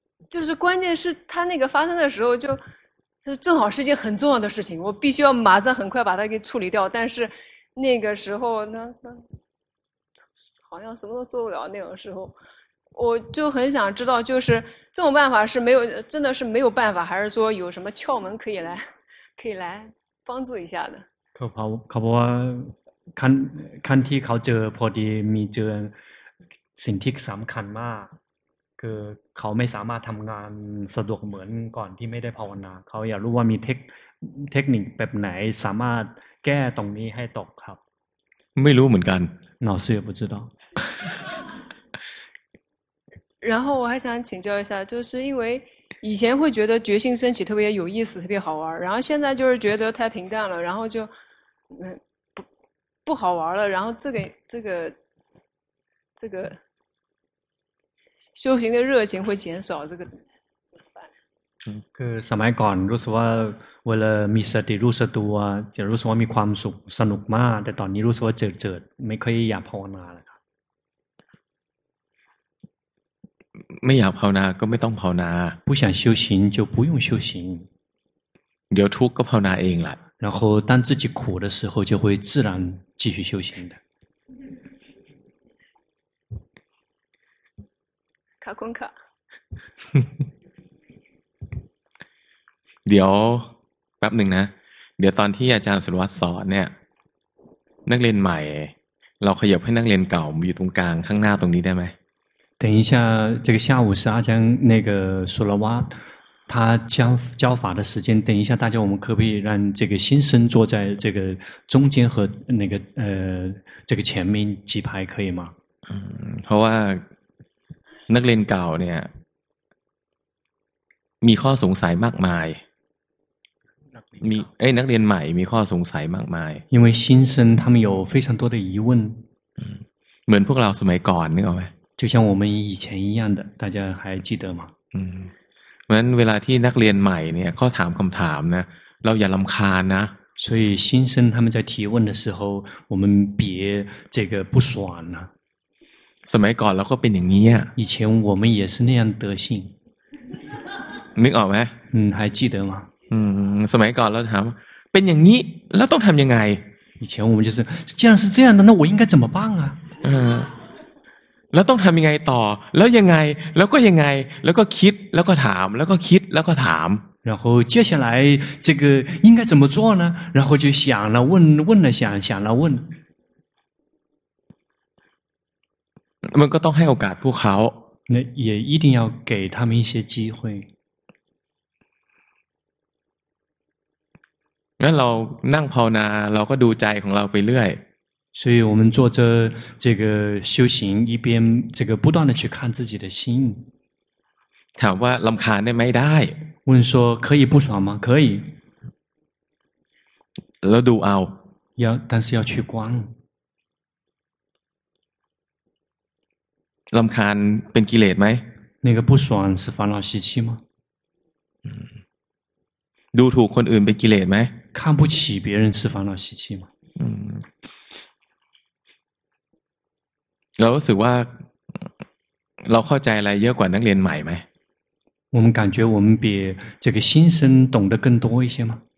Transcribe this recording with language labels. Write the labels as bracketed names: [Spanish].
[Chinese] 就是关键是他那个发生的时候就正好是一件很重要的事情，我必须要马上很快把它给处理掉，但是那个时候那好像什么都做不了，那种时候我就很想知道，就是这种办法是没有，真的是没有办法，还是说有什么窍门可以来帮助一下的。 [Thai] เขาบอกว่าคันที่เขาเจอพอดีมีเจอสิ่งที่สำคัญมากคือเขาไม่สามารถทำงานสะดวกเหมือนก่อนที่ไม่ได้ภาวนาเขาอยากรู้ว่ามีเทคนิคแบบไหนสามารถแก้ตรงนี้ให้ตกครับ ไม่รู้เหมือนกัน หนอเสือไม่รู้ [Chinese] 然后我还想请教一下，就是因为以前会觉得决心升起特别有意思特别好玩，然后现在就是觉得太平淡了，然后就不好玩了，然后这个修行的热情会减少，这个怎么办？ [Thai] คือสมัยก่อนรู้สึกว่าเวลามีสติรู้สึกตัวจะรู้สึกว่ามีความสุขสนุกมากแต่ตอนนี้รู้สึกว่าเจิดๆไม่ค่อยอยากภาวนาแล้วครับ ไม่อยากภาวนาก็ไม่ต้องภาวนา [Chinese] 不想修行就不用修行 [Thai] เดี๋ยวทุกข์ก็ภาวนาเองล่ะ [Chinese] 然后当自己苦的时候就会自然继续修行的 [Thai] เดี๋ยวแป๊บหนึ่งนะเดี๋ยวตอนที่อาจารย์สุรวัตรสอนเนี่ยนักเรียนใหม่เราขยับให้นักเรียนเก่าอยู่ตรงกลางข้างหน้าตรงนี้ได้ไหม [Chinese] 等一下这个下午是阿江那个苏拉瓦他教法的时间，等一下大家我们可不可以让这个新生坐在这个中间和那个这个前面几排可以吗？嗯，好啊。 [Thai] นักเรียนเก่าเนี่ยมีข้อสงสัยมากมายมีเอ้ยนักเรียนใหม่มีข้อสงสัยมากมาย [Chinese] 因为新生他们有非常多的疑问 [Thai] เหมือนพวกเราสมัยก่อนนึกออกไหม [Chinese] 就像我们以前一样的大家还记得吗 [Thai] เพราะนั้นเวลาที่นักเรียนใหม่เนี่ยเขาถามคำถามนะเราอย่ารำคาญนะ [Chinese] 所以新生他们在提问的时候我们别这个不爽啊 [Thai] สมัยก่อนเราก็เป็นอย่างนี้ [Chinese] 以前我们也是那样德性 [Thai] นึกออกไหม [Chinese] 还记得吗 [Thai] สมัยก่อนเราถามเป็นอย่างนี้แล้วต้องทำยังไง [Chinese] 以前我们就是既然是这样的那我应该怎么办啊 [Thai] แล้วต้องทำยังไงต่อแล้วยังไงแล้วก็ยังไงแล้วก็คิดแล้วก็ถามแล้วก็คิดแล้วก็ถาม [Chinese] 然后接下来这个应该怎么做呢然后就想了问问了想想了问 [Thai] มันก็ต้องให้โอกาสพวกเขา [Chinese] 那也一定要给他们一些机会 [Thai] งั้นเรานั่งภาวนาเราก็ดูใจของเราไปเรื่อย [Chinese] 所以我们坐着这个修行一边这个不断的去看自己的心 [Thai] ถามว่ารำคาญได้ไม่ได้ [Chinese] 问说可以不爽吗可以 [Thai] แล้วดูเอา [Chinese] 要但是要去观 [Thai] รำคาญเป็นกิเลสไหม [Chinese] 那个不爽是烦恼习气吗 [Thai] ดูถูกคนอื่นเป็นกิเลสไหม [Chinese] 看不起别人是烦恼习气吗 [Thai] เรารู้สึกว่าเราเข้าใจอะไรเยอะกว่านักเรียนใหม่ไหม [Chinese] 我们感觉我们比这个新生懂得更多一些吗